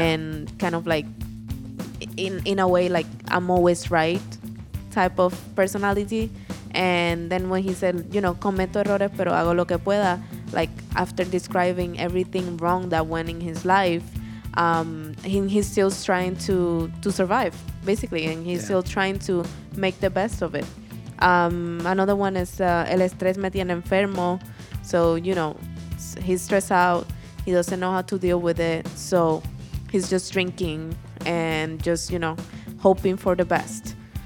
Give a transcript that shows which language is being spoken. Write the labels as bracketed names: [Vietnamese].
[English] And kind of like, in a way, like I'm always right type of personality. And then when he said, you know, [Spanish] cometo errores, pero hago lo que pueda, [English] like after describing everything wrong that went in his life, he's still trying to survive, basically. And he's still trying to make the best of it. Another one is [Spanish] el estrés me tiene enfermo. [English] So, you know, he's stressed out. He doesn't know how to deal with it. So he's just drinking and just, you know, hoping for the best.